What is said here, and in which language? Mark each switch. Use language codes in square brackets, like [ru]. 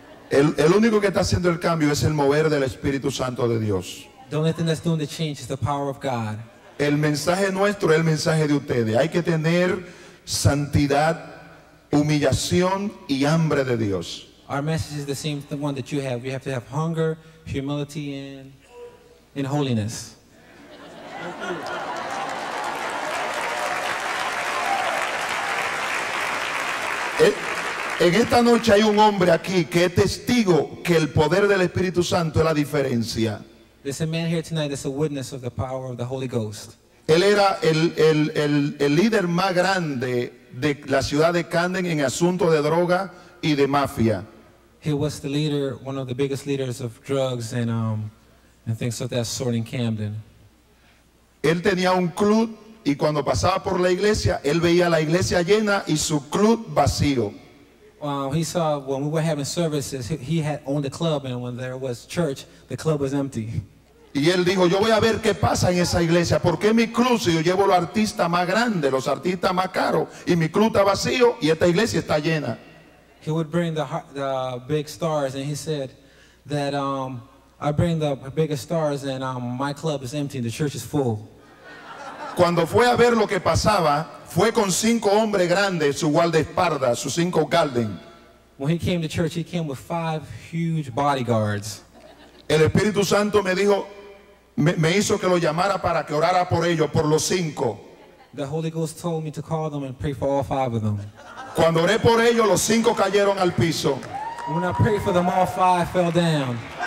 [es] El único que está haciendo el cambio es el mover del Espíritu Santo de Dios. [en] The only thing that's doing the change is the power of God. [es] El mensaje nuestro es el mensaje de ustedes. Hay que tener santidad, humillación y hambre de Dios. [en] Our message is the same as the one that you have. We have to have hunger, humility, and holiness. [es] En esta noche hay un hombre aquí que es testigo que el poder del Espíritu Santo es la diferencia. [en] There's a man here tonight that's a witness of the power of the Holy Ghost. [es] Él era el líder más grande de la ciudad de Camden en asunto de droga y de mafia. [en] He was the leader, one of the biggest leaders of drugs and things of that sort in Camden. [es] Él tenía un club y cuando pasaba por la iglesia, él veía la iglesia llena y su club vacío. [en] He saw when we were having services, he had owned the club, and when there was church, the club was empty. [es] Y él dijo, yo voy a ver qué pasa en esa iglesia, porque mi club, si yo llevo los artistas más grandes, los artistas más caros, y mi club está vacío y esta iglesia está llena. [en] He would bring the big stars, and he said that I bring the biggest stars, and my club is empty, and the church is full. [es] Cuando fue a ver lo que pasaba, fue con cinco hombres grandes, su guardaespaldas, sus cinco garden. [en] When he came to church, he came with five huge bodyguards. [es] El Espíritu Santo me dijo, me hizo que lo llamara para que orara por ellos, por los cinco. [en] The Holy Ghost told me to call them and pray for all five of them. [es] Cuando oré por ellos, los cinco cayeron al piso. [en] When I prayed for them, all five fell down.